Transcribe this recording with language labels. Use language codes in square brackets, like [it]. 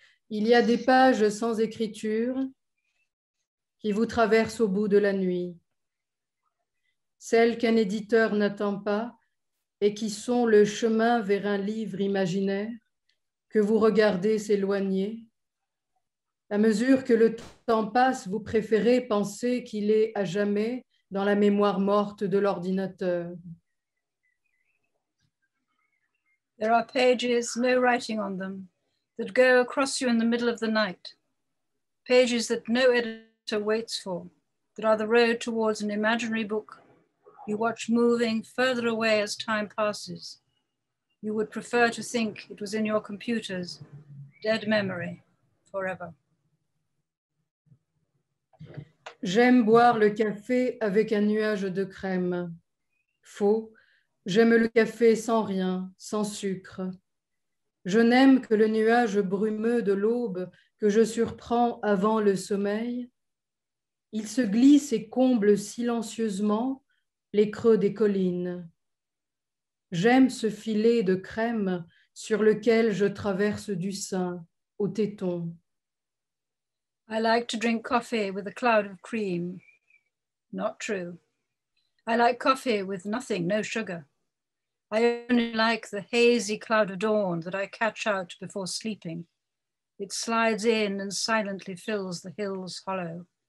[fr] Il y a des pages sans écriture qui vous traversent au bout de la nuit, celles qu'un éditeur n'attend pas et qui sont le chemin vers un livre imaginaire que vous regardez s'éloigner. À mesure que le temps passe, vous préférez penser qu'il est à jamais dans la mémoire morte de l'ordinateur. [en] There are pages, no writing on them, that go across you in the middle of the night. Pages that no editor waits for, that are the road towards an imaginary book you watch moving further away as time passes. You would prefer to think it was in your computer's dead memory forever. [fr] J'aime boire le café avec un nuage de crème. Faux, j'aime le café sans rien, sans sucre. Je n'aime que le nuage brumeux de l'aube que je surprends avant le sommeil. Il se glisse et comble silencieusement les creux des collines. J'aime ce filet de crème sur lequel je traverse du sein au téton. [en] I like to drink coffee with a cloud of cream. Not true. I like coffee with nothing, no sugar. I only like the hazy cloud of dawn that I catch out before sleeping. It slides in and silently fills the hill's hollow.